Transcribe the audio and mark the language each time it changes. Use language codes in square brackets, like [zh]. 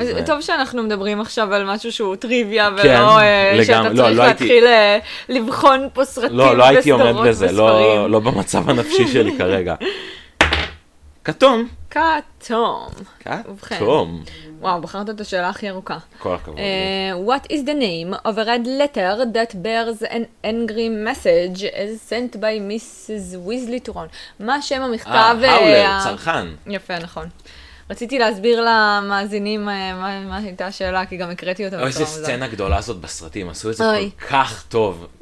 [he] טוב שאנחנו מדברים עכשיו על משהו שהוא טריוויה, ולא שאתה צריך להתחיל לבחון פה סרטים וסדרות וספרים. לא הייתי עומד בזה, לא במצב הנפשי שלי כרגע. כתום. כתום. כתום. וואו, בחרת את השאלה הכי ארוכה. כל הכבוד. [en] What is the name of a red letter that bears an angry message as sent by Mrs. Weasley to Ron? [he] מה שם המכתב? האולר, צרכן. יפה, נכון. רציתי להסביר למאזינים מה הייתה השאלה, כי גם הקראתי אותה. אוי, איזה סצנה גדולה הזאת בסרטים, עשו את זה כל כך טוב.